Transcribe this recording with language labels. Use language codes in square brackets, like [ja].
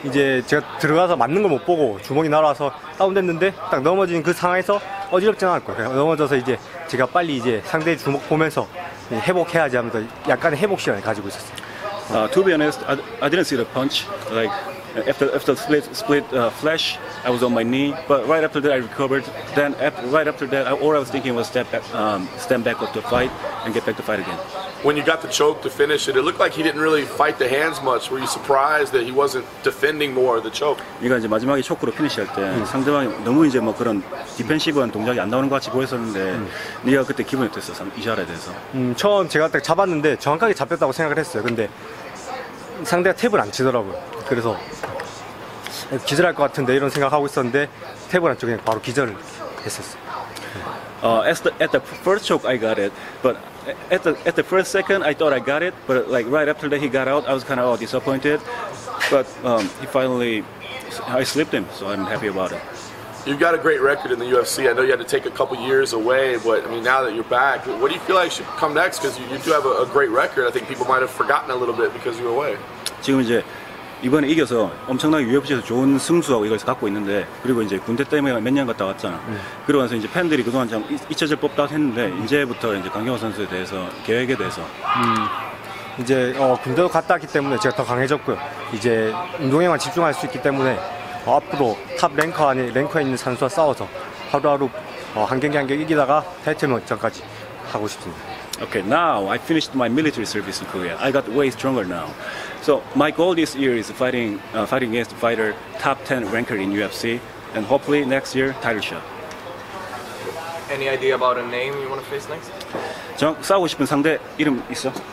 [ko] 이제 제가 들어가서 맞는 걸 못 보고 주먹이 날아와서 다운됐는데 딱 넘어진 그 상황에서 어지럽지 않을 거예요. 넘어져서 이제 제가 빨리 이제 상대의 주먹 보면서 회복해야지 하면서 약간의 회복 시간을 가지고 있었어요. [en] To be honest, I didn't see the punch. Like after split flash, I was on my knee. But right after that, I recovered. Then right after that, all I was thinking was stand back up to fight and get back to fight again. When you got the choke to finish it, it looked like he didn't really fight the hands much. Were you surprised that he wasn't defending more the choke? [ko] 이거 이제 마지막에 초크로 피니시할 때 상대방이 너무 이제 뭐 그런 디펜시브한 동작이 안 나오는 것 같이 보였었는데 네가 그때 기분이 어땠어? 이 자리에 대해서. 처음 제가 딱 잡았는데 정확하게 잡혔다고 생각을 했어요. 근데 상대가 탭을 안 치더라고요. 그래서 기절할 것 같은데 이런 생각하고 있었는데 탭을 안 치고 그냥 바로 기절을 했었어요. [en] At the first choke, I got it. But at the first second, I thought I got it. But like right after that, he got out. I was kind of all disappointed. But I slipped him, so I'm happy about it. You've got a great record in the UFC. I know you had to take a couple years away, but I mean, now that you're back, what do you feel like should come next? Because you do have a great record. I think people might have forgotten a little bit because you were away. [ko] 지금 이제 이번에 이겨서 엄청나게 UFC에서 좋은 승수하고 이걸 갖고 있는데 그리고 이제 군대 때문에 몇 년 갔다 왔잖아. 그러고 나서 이제 팬들이 그동안 참 잊혀질 법도 했는데 이제부터 이제 강경호 선수에 대해서 계획에 대해서 이제 군대도 갔다 왔기 때문에 제가 더 강해졌고요. 이제 운동에만 집중할 수 있기 때문에 앞으로 탑 랭커에 있는 선수와 싸워서 하루하루 한 경기 이기다가 타이틀 명장까지 하고 싶습니다. [en] Okay, now I finished my military service in Korea. I got way stronger now. So my goal this year is fighting against the fighter top 10 ranker in UFC, and hopefully next year title shot. Any idea about a name you want to face next? [ko] 싸우고 싶은 상대 이름 있어?